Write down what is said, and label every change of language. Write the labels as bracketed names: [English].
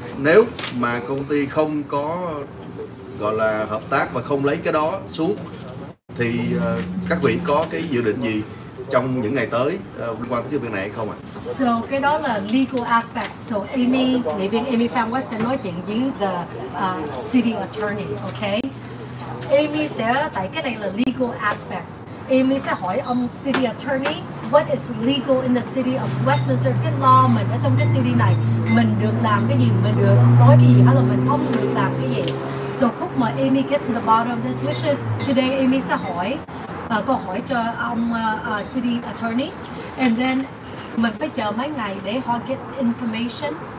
[Vietnamese] Nếu mà công ty không có gọi là hợp tác và không lấy cái đó xuống, thì các vị có cái dự định gì trong những ngày tới liên quan tới cái việc này hay không ạ? So cái đó là legal aspect. So Amy, nghị viên Amy Fan West sẽ nói chuyện với the city attorney, okay? Amy sẽ, tại cái này là legal aspect. [English] Amy [Vietnamese] sẽ hỏi ông [English] city attorney, what is legal in the city of Westminster? [Vietnamese] Cái law mình ở trong cái city này, mình được làm cái gì, mình được nói cái gì, hay là mình không được làm cái gì. So khúc mà Amy [English] get to the bottom of this, which is today [Vietnamese] Amy sẽ hỏi, câu hỏi cho ông city attorney, [English] and then [Vietnamese] mình phải chờ mấy ngày để họ [English] get information.